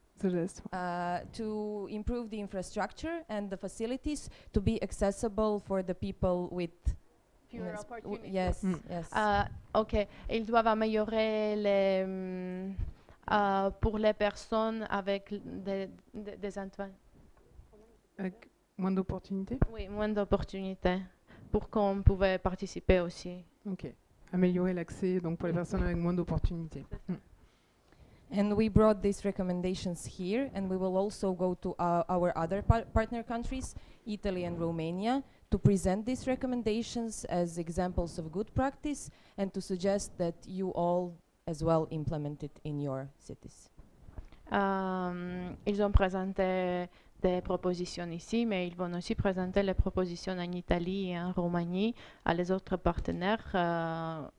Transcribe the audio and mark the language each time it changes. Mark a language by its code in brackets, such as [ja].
[en] To improve the infrastructure and the facilities to be accessible for the people with fewer opportunities. Yes. Okay. [fr] Ils doivent améliorer les pour les personnes avec des intérêts. Avec moins d'opportunités. Oui, moins d'opportunités pour qu'on puisse participer aussi. [en] Okay. [fr] Améliorer l'accès donc pour les personnes avec moins d'opportunités. [en] And we brought these recommendations here, and we will also go to our other partner countries, Italy and Romania, to present these recommendations as examples of good practice and to suggest that you all as well implement it in your cities. [fr] Ils ont présenté des propositions ici, mais ils vont aussi présenter les propositions en Italie et en Roumanie à les autres partenaires.